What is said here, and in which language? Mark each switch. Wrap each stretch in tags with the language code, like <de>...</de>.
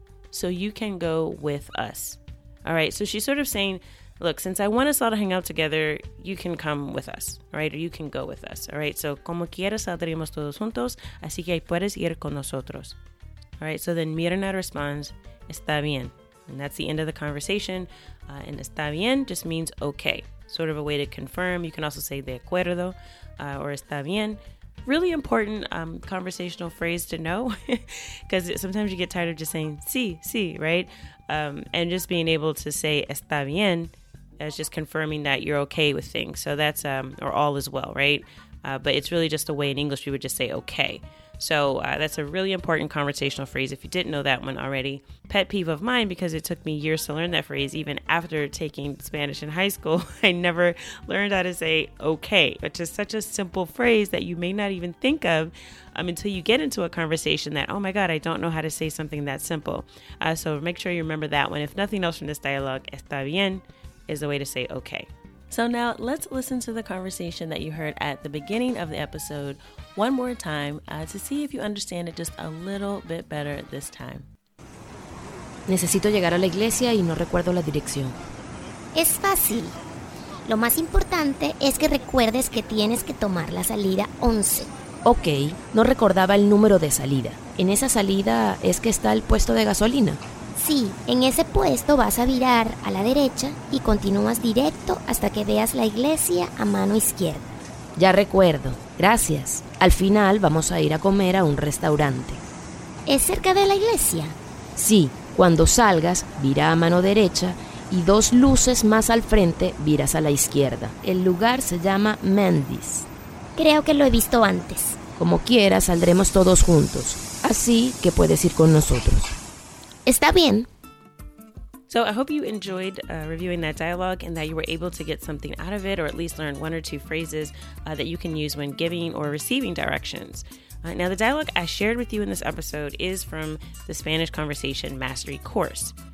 <en>So you can go with us. All right, so she's sort of saying, look, since I want us all to hang out together, you can come with us, right? Or you can go with us, all right? So como quieras saldremos todos juntos, así que puedes ir con nosotros. All right, so then Mirna responds, está bien. And that's the end of the conversation. And está bien just means okay, sort of a way to confirm. You can also say de acuerdo or está bien. Really important conversational phrase to know because sometimes you get tired of just saying sí, right? And just being able to say está bien is just confirming that you're okay with things. So that's, or all is well, right? But it's really just a way in English we would just say okay. So that's a really important conversational phrase if you didn't know that one already. Pet peeve of mine, because it took me years to learn that phrase. Even after taking Spanish in high school, I never learned how to say okay, which is such a simple phrase that you may not even think of until you get into a conversation that, oh my God, I don't know how to say something that simple. So make sure you remember that one. If nothing else from this dialogue, está bien is the way to say okay. So now let's listen to the conversation that you heard at the beginning of the episode one more time to see if you understand it just a little bit better this time.</en> <es>Necesito llegar a la iglesia y no recuerdo la dirección. Es fácil. Lo más importante es que recuerdes que tienes que tomar la salida 11. Ok, no recordaba el número de salida. ¿En esa salida es que está el puesto de gasolina? Sí, en ese puesto vas a virar a la derecha y continúas directo hasta que veas la iglesia a mano izquierda. Ya recuerdo, gracias. Al final vamos a ir a comer a un restaurante. ¿Es cerca de la iglesia? Sí, cuando salgas, vira a mano derecha y dos luces más al frente, viras a la izquierda. El lugar se llama Mendy's. Creo que lo he visto antes. Como quiera, saldremos todos juntos, así que puedes ir con nosotros. Está bien.</es> <en>So I hope you enjoyed reviewing that dialogue and that you were able to get something out of it, or at least learn one or two phrases that you can use when giving or receiving directions. Now, the dialogue I shared with you in this episode is from the Spanish Conversation Mastery course.</en>